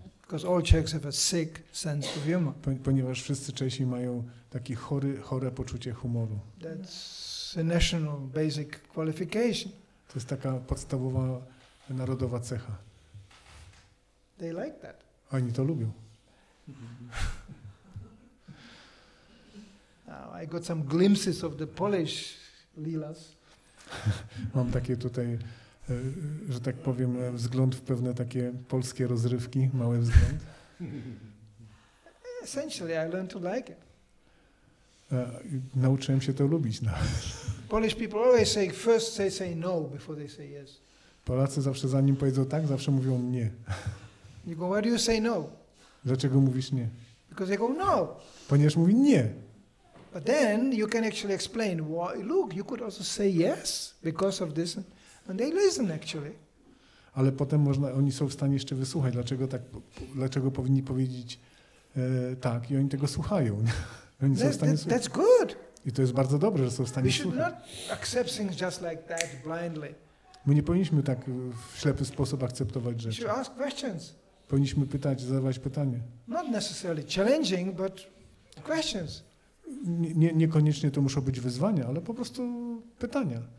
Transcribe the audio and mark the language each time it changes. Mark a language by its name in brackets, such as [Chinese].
[English] Because all Czechs have a sick sense of humor. [Polish] Ponieważ wszyscy Czesi mają takie chore poczucie humoru. [English] That's a national basic qualification. [Polish] To jest taka podstawowa narodowa cecha. [English] They like that. [Polish] Oni to lubią. [English] I got some glimpses of the Polish lilas. [Polish] Mam takie tutaj, że tak powiem, wzgląd w pewne takie polskie rozrywki, mały wzgląd. [English] Essentially, I learned to like it. [Polish] Nauczyłem się to lubić. No. [English] Polish people always say first they say no before they say yes. [Polish] Polacy zawsze zanim powiedzą tak, zawsze mówią nie. [English] You go, why do you say no? [Polish] Dlaczego mówisz nie? [English] Because they go no. [Polish] Ponieważ mówi nie. [English] But then you can actually explain, why, look, you could also say yes because of this. And they listen actually. [Polish] Ale potem można, oni są w stanie jeszcze wysłuchać, dlaczego powinni powiedzieć tak, i oni tego słuchają. Oni są w stanie słuchać. [English] That's good. [Polish] I to jest bardzo dobre, że są w stanie słuchać. [English] We should not accept things just like that blindly. [Polish] My nie powinniśmy tak w ślepy sposób akceptować rzeczy. [English] We should ask questions. [Polish] Powinniśmy pytać, zadawać pytanie. [English] Not necessarily challenging, but questions. [Polish] Niekoniecznie to muszą być wyzwania, ale po prostu pytania.